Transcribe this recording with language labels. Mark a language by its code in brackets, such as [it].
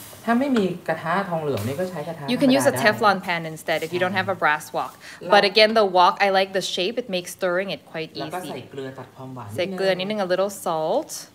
[th] ถ้าไม่มีกระทะทองเหลืองนี่ก็ใช้กระทะ [en] You can use a Teflon pan instead if you don't have a brass wok. But again the wok I like the shape it makes stirring it quite easy. [th] แล้วก็ใส่เกลือตัดความหวาน ใส่เกลือนิดนึง [en] a little salt.